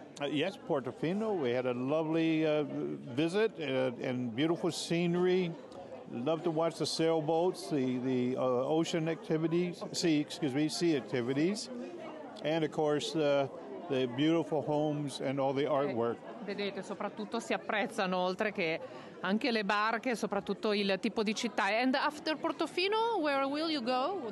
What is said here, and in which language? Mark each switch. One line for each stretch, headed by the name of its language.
English: Yes, Portofino. We had a lovely visit and beautiful scenery. Love to watch the sailboats, the ocean activities, sea activities, and of course the beautiful homes and all the artwork.
Italian: Vedete, soprattutto si apprezzano oltre che anche le barche, soprattutto il tipo di città.
English: And after Portofino, where will you go?